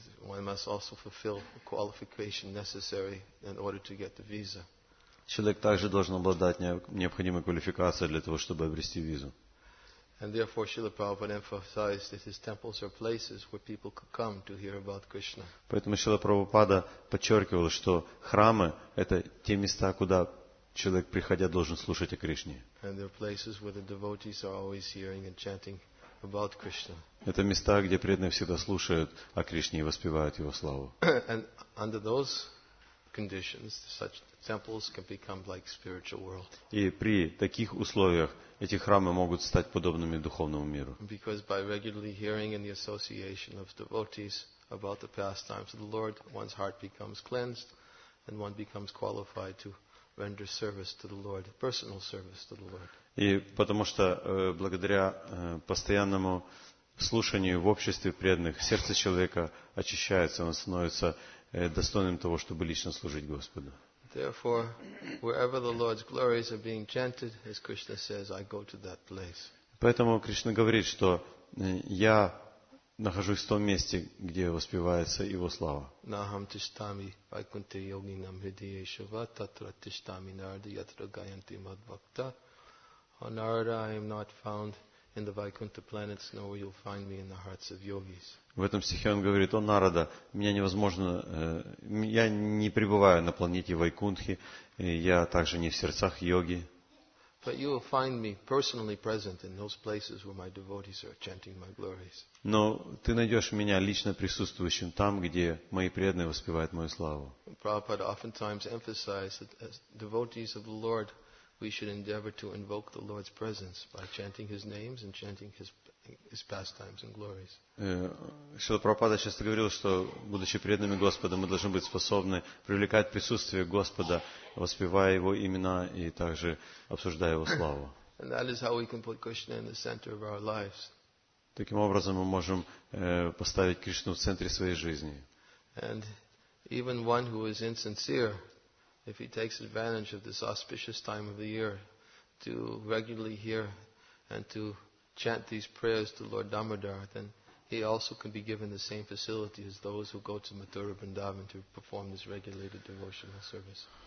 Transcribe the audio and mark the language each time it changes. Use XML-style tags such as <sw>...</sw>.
<en>One must also fulfill the qualification necessary in order to get the visa.</en> <ru>Человек также должен обладать необходимой квалификацией для того, чтобы обрести визу.</ru> <en>And therefore Srila Prabhupada emphasized that his temples are places where people could come to hear about Krishna.</en> <ru>Поэтому Шрила Прабхупада подчеркивал, что храмы это те места, куда человек, приходя, должен слушать о Кришне.</ru> <en>And there are places where the devotees are always hearing and chanting about Krishna.</en> <ru>Это места, где преданные всегда слушают о Кришне и воспевают его славу.</ru> <en>And under those conditions, such temples can become like spiritual world.</en> <ru>И при таких условиях эти храмы могут стать подобными духовному миру.</ru> <en>Because by regularly hearing in the association of devotees about the pastimes of the Lord, one's heart becomes cleansed and one becomes qualified to render service to the Lord, personal service to the Lord.</en> <ru>И потому что благодаря постоянному слушанию в обществе преданных сердце человека очищается, он становится достойным того, чтобы лично служить Господу.</ru> <en>Therefore, wherever the Lord's glories are being chanted, as Krishna says, I go to that place.</en> <ru>Поэтому Кришна говорит, что я нахожусь в том месте, где воспевается его слава.</ru> <sa>Нахам тиштами вайкунте йогинам хридие шива татра тиштами нарда ятра гаянти мадбхакта.</sa> <en>О Нарада, I am not found in the Vaikuntha planets, nor will you find me in the hearts of yogis.</en> <ru>В этом стихе он говорит: «О Нарада, меня невозможно, я не пребываю на планете Вайкунтхи, я также не в сердцах йоги».</ru> <en>But you will find me personally present in those places where my devotees are chanting my glories.</en> <ru>Но ты найдешь меня лично присутствующим там, где мои преданные воспевают мою славу.</ru> <en>Prabhupada oftentimes emphasized that as devotees of the Lord, we should endeavor to invoke the Lord's presence by chanting His names and chanting His pastimes and glories.</en> <ru>Шрила Прабхупада часто говорил, что будучи преданными Господа, мы должны быть способны привлекать присутствие Господа, воспевая Его имена и также обсуждая Его славу.</ru> <en>And that is how we can put Krishna in the center of our lives.</en> <ru>Таким образом, мы можем поставить Кришну в центре своей жизни.</ru> <en>And even one who is insincere, if he takes advantage of this auspicious time of the year to regularly hear and to chant these prayers to Lord Damodar, then he also can be given the same facility as those who go to Mathura Vrindavan to perform this regulated devotional service.</en>